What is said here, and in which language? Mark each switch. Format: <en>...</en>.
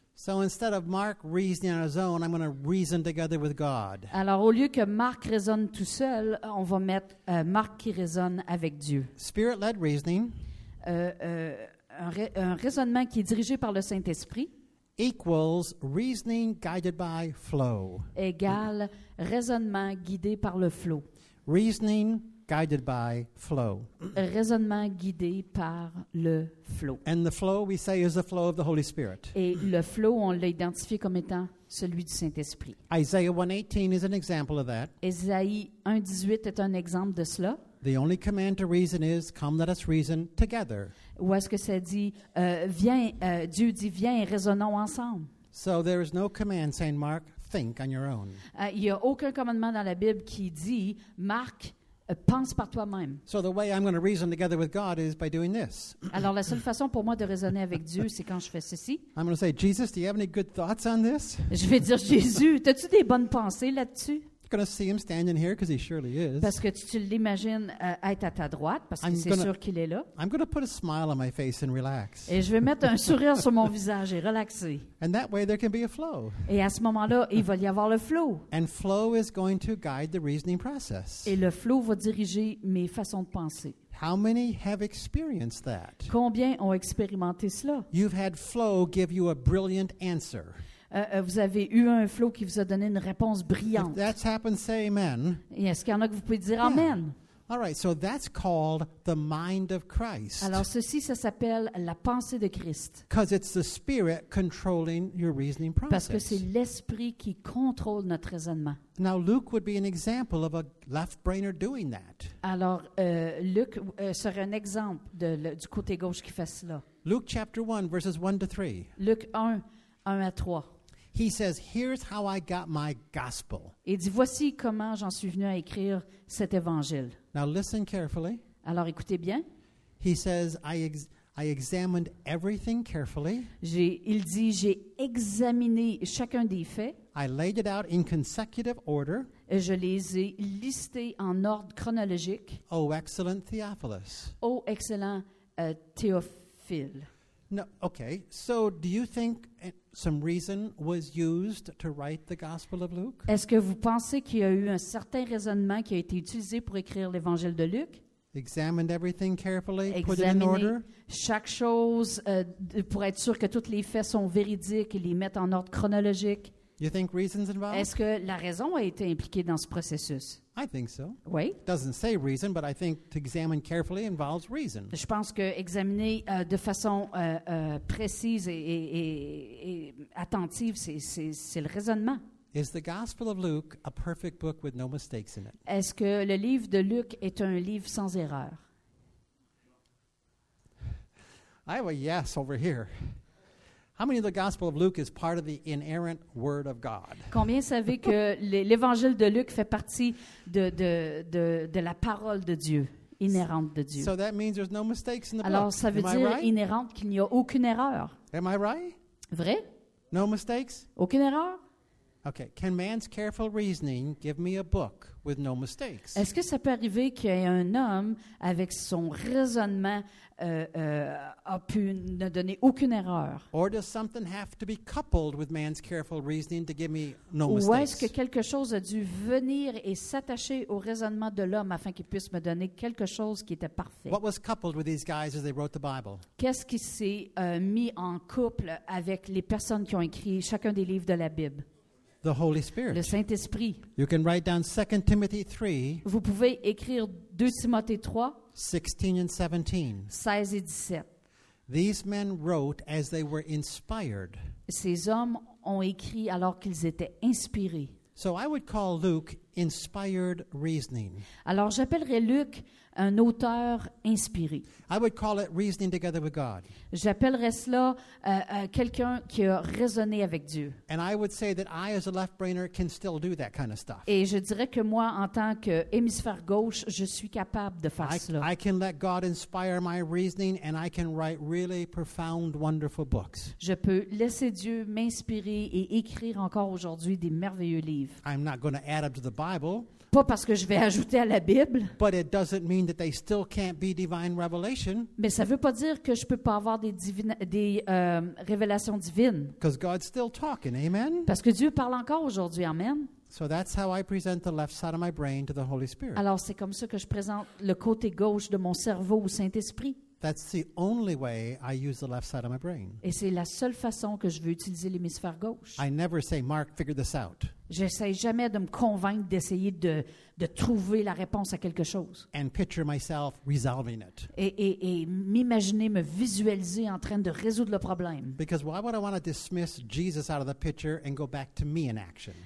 <en>So instead of Mark reasoning on his own, I'm going to reason together with God.</en> <fr>Alors au lieu que Marc raisonne tout seul, on va mettre Marc qui raisonne avec Dieu.</fr> <en>Spirit-led reasoning.</en> <fr>Un raisonnement qui est dirigé par le Saint-Esprit.</fr> <en>Equals reasoning guided by flow.</en> <fr>Égale raisonnement guidé par le flot.</fr> <en>Reasoning guided by flow.</en> <fr>Raisonnement guidé par le flow.</fr> <en>And the flow, we say, is the flow of the Holy Spirit.</en> <fr>Et le flow, on l'a identifié comme étant celui du Saint-Esprit.</fr> <en>Isaiah 1:18 is an example of that.</en> <fr>Ésaïe 1:18 est un exemple de cela.</fr> <en>The only command to reason is, come, let us reason together.</en> <fr>Où est-ce que ça dit, viens, Dieu dit, viens, raisonnons ensemble.</fr> <en>So there is no command, Saint Mark, think on your own.</en> <fr>Il y a aucun commandement dans la Bible qui dit, Marc, pense par toi-même.</fr> <en>So the way I'm going to reason together with God is by doing this.</en> <fr>Alors la seule façon pour moi de raisonner avec Dieu, c'est quand je fais ceci.</fr> <en>I'm going to say, Jesus, do you have any good thoughts on this?</en> <fr>Je vais dire, Jésus, as-tu des bonnes pensées là-dessus?</fr> <en>I'm going to see him standing here because he surely is.</en> <fr>Parce que tu l'imagines être à ta droite parce que c'est sûr qu'il est là.</fr> <en>I'm going to put a smile on my face and relax.</en> <fr>Et je vais mettre un sourire sur mon visage et relaxer.</fr> <en>And that way there can be a flow.</en> <fr>Et à ce moment-là, il va y avoir le flow.</fr> <en>And flow is going to guide the reasoning process.</en> <fr>Et le flow va diriger mes façons de penser.</fr> <en>How many have experienced that?</en> <fr>Combien ont expérimenté cela?</fr> <en>You've had flow give you a brilliant answer.</en> <fr>Vous avez eu un flow qui vous a donné une réponse brillante.</fr> <en>If that's happened, say amen.</en> <fr>Et est-ce qu'il y en a que vous pouvez dire yeah.</fr> <en>Amen? All right, so that's called the mind of Christ.</en> <fr>Alors ceci, ça s'appelle la pensée de Christ.</fr> <en>Because it's the spirit controlling your reasoning process.</en> <fr>Parce que c'est l'esprit qui contrôle notre raisonnement.</fr> <en>Now Luke would be an example of a left-brainer doing that.</en> <fr>Alors Luc serait un exemple du côté gauche qui fait cela.</fr> <en>Luke chapter 1, verses 1 to 3.</en> <fr>Luc 1. 1 à 3.</fr> <en>He says, here's how I got my gospel.</en> <fr>Il dit, voici comment j'en suis venu à écrire cet évangile.</fr> <en>Now listen carefully.</en> <fr>Alors écoutez bien.</fr> <en>He says, I examined everything carefully.</en> <fr>Il dit, j'ai examiné chacun des faits.</fr> <en>I laid it out in consecutive order.</en> <fr>Et je les ai listés en ordre chronologique.</fr> <en>Oh, excellent Theophilus.</en> <fr>Oh, excellent Théophile.</fr> <en>No, okay. So do you think some reason was used to write the Gospel of Luke?</en> <fr>Est-ce que vous pensez qu'il y a eu un certain raisonnement qui a été utilisé pour écrire l'Évangile de Luc?</fr> <en>Examined everything carefully, put it in order.</en> <fr>Chaque chose pour être sûr que toutes les faits sont véridiques et les mettre en ordre chronologique.</fr> <en>You think reason's involved?</en> <fr>Est-ce que la raison a été impliquée dans ce processus?</fr> <en>I think so.</en> <fr>Oui.</fr> <en>It doesn't say reason, but I think to examine carefully involves reason.</en> <fr>Je pense que examiner de façon précise et attentive, c'est le raisonnement.</fr> <en>Is the Gospel of Luke a perfect book with no mistakes in it?</en> <fr>Est-ce que le livre de Luc est un livre sans erreur?</fr> <en>I have a yes over here. How many of the Gospel of Luke is part of the inerrant Word of God?</en> <fr>Combien savez que l'Évangile de Luc fait partie de la parole de Dieu, inhérente de Dieu?</fr> <en>So that means there's no mistakes in the</en> <fr>Alors,</fr> <en>book.</en> <fr>Alors ça veut</fr> <en>Am</en> <fr>dire</fr> <en>right?</en> <fr>inhérente qu'il n'y a aucune erreur.</fr> <en>Am I right?</en> <fr>Vrai?</fr> <en>No mistakes?</en> <fr>Aucune erreur?</fr> <en>Okay. Can man's careful reasoning give me a book with no mistakes?</en> <fr>Est-ce que ça peut arriver qu'il y ait un homme avec son raisonnement a pu ne donner aucune erreur?</fr> <en>Or does something have to be coupled with man's careful reasoning to give me no</en> <fr>Ou Ou est-ce que quelque chose a dû venir et s'attacher au raisonnement de l'homme afin qu'il puisse me donner quelque chose qui était parfait?</fr> <en>What was coupled with these guys as they wrote the Bible?</en> <fr>Qu'est-ce qui s'est mis en couple avec les personnes qui ont écrit chacun des livres de la Bible?</fr> <en>The Holy Spirit.</en> <fr>Le Saint-Esprit.</fr> <en>You can write down 2 Timothy 3.</en> <fr>Vous pouvez écrire 2 Timothée 3.</fr> <en>16 and 17.</en> <fr>16 et 17.</fr> <en>These men wrote as they were inspired.</en> <fr>Ces hommes ont écrit alors qu'ils étaient inspirés.</fr> <en>So I would call Luke inspired reasoning.</en> <fr>Alors j'appellerais Luc un auteur inspiré.</fr> <en>I would call it reasoning together with God.</en> <fr>J'appellerais cela quelqu'un qui a raisonné avec Dieu.</fr> <en>And I would say that I, as a left-brainer, can still do that kind of stuff.</en> <fr>Et je dirais que moi, en tant que hémisphère gauche, je suis capable de faire cela.</fr> <en>I can let God inspire my reasoning, and I can write really profound, wonderful books.</en> <fr>Je peux laisser Dieu m'inspirer et écrire encore aujourd'hui des merveilleux livres.</fr> <en>I'm not going to add up to the Bible.</en> <fr>Pas parce que je vais ajouter à la Bible.</fr> <en>But it doesn't mean that they still can't be divine revelation.</en> <fr>Mais ça veut pas dire que je peux pas avoir des révélations divines.</fr> <en>Because God's still talking, amen.</en> <fr>Parce que Dieu parle encore aujourd'hui, amen.</fr> <en>So that's how I present the left side of my brain to the Holy Spirit.</en> <fr>Alors c'est comme ça que je présente le côté gauche de mon cerveau au Saint-Esprit.</fr> <en>That's the only way I use the left side of my brain.</en> <fr>Et c'est la seule façon que je veux utiliser l'hémisphère gauche.</fr> <en>I never say, Mark, figure this out.</en> <fr>J'essaie jamais de me convaincre d'essayer de trouver la réponse à quelque chose.</fr> <en>And picture myself resolving it.</en> <fr>Et m'imaginer, me visualiser en train de résoudre le problème.</fr> <en>Because why would I want to dismiss Jesus out of the picture and go back to me in action?</en>